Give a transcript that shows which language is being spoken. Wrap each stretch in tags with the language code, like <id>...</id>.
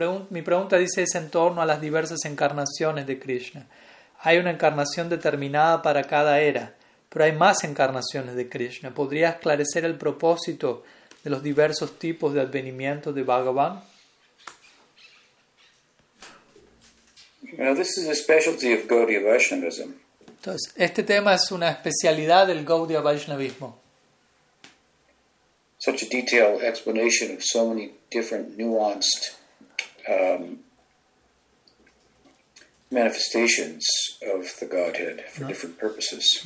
<es>Mi pregunta dice, es en torno a las diversas encarnaciones de Krishna. Hay una encarnación determinada para cada era, pero hay más encarnaciones de Krishna. ¿Podrías esclarecer el propósito de los diversos tipos de advenimiento de Bhagavan?</es> <en>Now, this is a specialty of Gaudiya Vaishnavism.</en> <es>Entonces, este tema es una especialidad del Gaudiya Vaishnavismo.</es> <en>Such a detailed explanation of so many different nuanced manifestations of the Godhead for different purposes.</en>